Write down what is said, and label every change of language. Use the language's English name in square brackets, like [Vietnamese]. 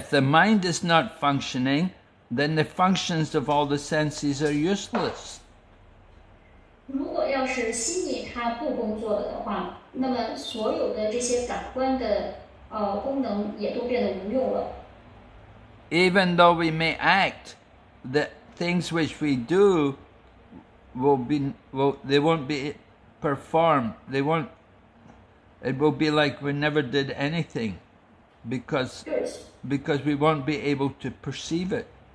[English] if the mind is not functioning, then the functions of all the senses are useless. [Chinese] 如果要是心意它不工作了的话，那么所有的这些感官的功能也都变得无用了。 [English] Even though we may act, the things which we do won't be performed, it will be like we never did anything because we won't be able to perceive it.